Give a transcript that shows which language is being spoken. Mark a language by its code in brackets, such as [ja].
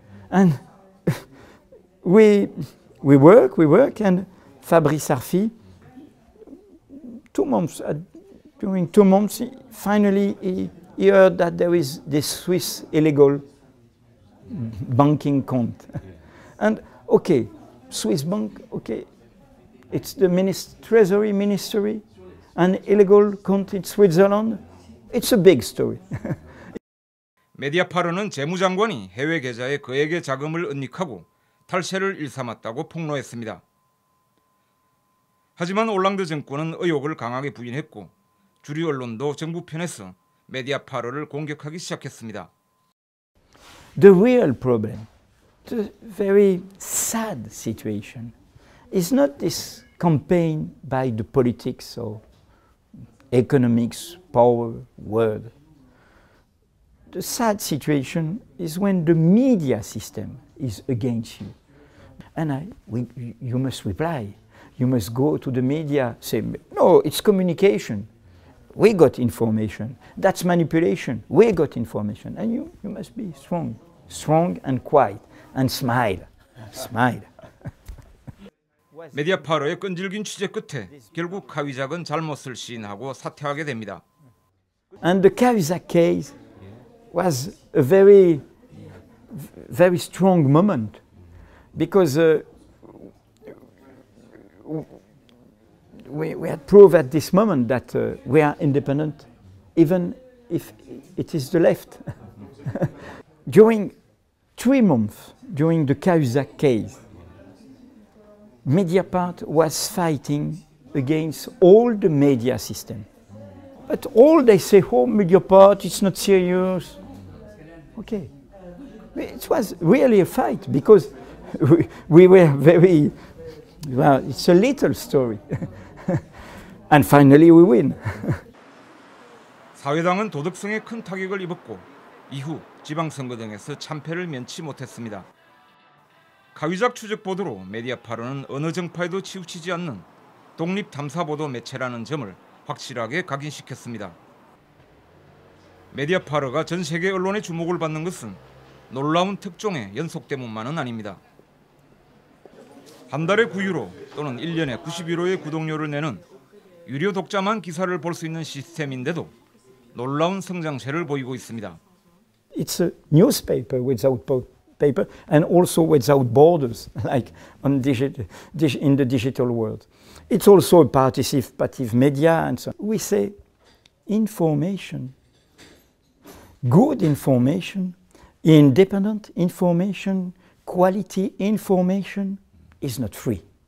[en] And we work, and Fabrice Arfi, 2 months, during 2 months, finally he heard that there is this Swiss illegal banking account. And okay, Swiss bank, okay, it's the Treasury Ministry, and illegal account in Switzerland, it's a big story. [ko] 메디아파르는 재무장관이 해외 계좌에 거액의 자금을 은닉하고 탈세를 일삼았다고 폭로했습니다. 하지만 올랑드 정권은 의혹을 강하게 부인했고 주류 언론도 정부 편에서 메디아파르를 공격하기 시작했습니다. [en] The real problem a very sad situation. It's not this campaign by the politics or economics power world. The sad situation is when the media system is against you. And you must reply. You must go to the media, say, no, it's communication. We got information. That's manipulation. We got information. And you must be strong. Strong and quiet. And smile. Smile. [ko] 메디아파로의 끈질긴 취재 끝에 결국 카위작은 잘못을 시인하고 사퇴하게 됩니다. [en] And the Cavizac case was a very, very strong moment because we had proof at this moment that we are independent, even if it is the left. During 3 months, during the Cavizac case, Mediapart was fighting against all the media system. But all they say, oh, Mediapart, it's not serious. Okay. It was really a fight because we were very, well, it's a little story. And finally we win. [ko] 사회당은 도덕성에 큰 타격을 입었고 이후 지방선거 등에서 참패를 면치 못했습니다. 가위작 추적 보도로 메디아파로는 어느 정파에도 치우치지 않는 독립 탐사 보도 매체라는 점을 확실하게 각인시켰습니다. 메디아파로가 전 세계 언론의 주목을 받는 것은 놀라운 특종의 연속 때문만은 아닙니다. 한 달에 9유로 또는 1년에 90유로의 구독료를 내는 유료 독자만 기사를 볼 수 있는 시스템인데도 놀라운 성장세를 보이고 있습니다. [en] It's a newspaper without book. Paper and also without borders, like on in the digital world. It's also a participative media and so on. We say information, good information, independent information, quality information is not free.